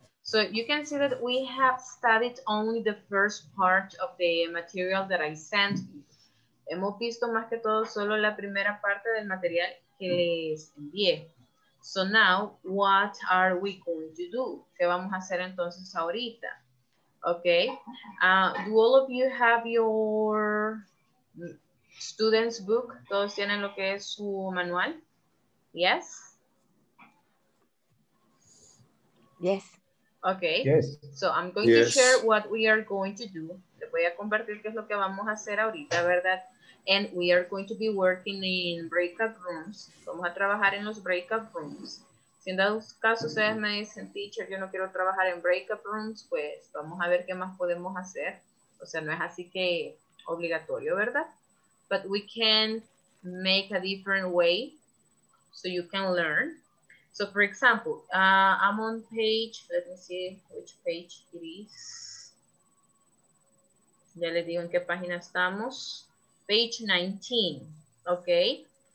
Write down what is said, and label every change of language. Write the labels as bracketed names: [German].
[English] So you can see that we have studied only the first part of the material that I sent you. [Spanish] Hemos visto más que todo solo la primera parte del material que les envié. [English] So now, what are we going to do? [Spanish] ¿Qué vamos a hacer entonces ahorita? [English] Okay. Do all of you have your student's book? [Spanish] ¿Todos tienen lo que es su manual? Yes? [English] Yes. Okay. Yes. So I'm going to share what we are going to do. [Spanish] Les voy a compartir qué es lo que vamos a hacer ahorita, ¿verdad? [English] And we are going to be working in breakout rooms. [Spanish] Vamos a trabajar en los breakout rooms. Si en dado caso ustedes me dicen, teacher, yo no quiero trabajar en breakout rooms, pues vamos a ver qué más podemos hacer. O sea, no es así que obligatorio, ¿verdad? [English] But we can make a different way so you can learn. So, for example, I'm on page, let me see which page it is. [Spanish] Ya les digo en qué página estamos. [English] Page 19, okay?